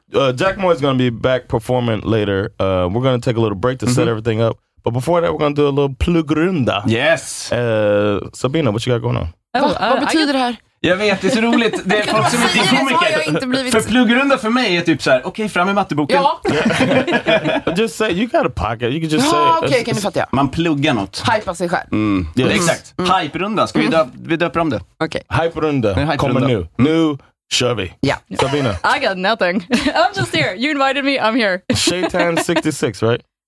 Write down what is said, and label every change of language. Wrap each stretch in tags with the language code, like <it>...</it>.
<en>Jack Moy is going to be back performing later. We're going to take a little break to set everything up. But before that, we're going to do a little plugrunda. Yes. Sabina, what you got going on?</en> <sv>Vad betyder det här? Jag vet, det är så roligt. Det är folk som inte är komiker. För pluggrunda för mig är typ så här, okej, fram med matteboken. Ja.</sv> <en>Just say, you got a pocket. You can just say.</en> <sv>Okej, kan du fatta? Man pluggar något. Hypa sig själv. Exakt. Hyperunda. Ska vi döpa om det? Okej. Hyperunda. Kommer nu. Nu kör vi. Ja. Sabina.</sv> <en>I got nothing. I'm just here. You invited me, I'm here. Shaytan 66, right?</en>